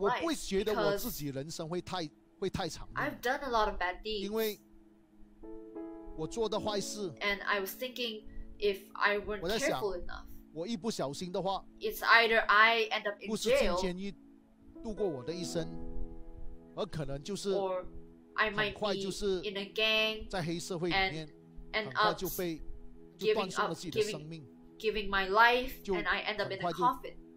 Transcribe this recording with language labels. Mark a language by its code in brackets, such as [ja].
[zh] 我不会觉得我自己人生会太长。 [en] I've done a lot of bad deeds. [zh] 因为我做的坏事。 [en] And I was thinking if I weren't careful enough. [zh] 我一不小心的话 [en] It's either I end up in jail. [zh] 不是进监狱度过我的一生，而可能就是 [en] Or I might be in a gang. [zh] 在黑社会里面，很快就被就断送了自己的生命。 [en] Giving my life and I end up in a coffin.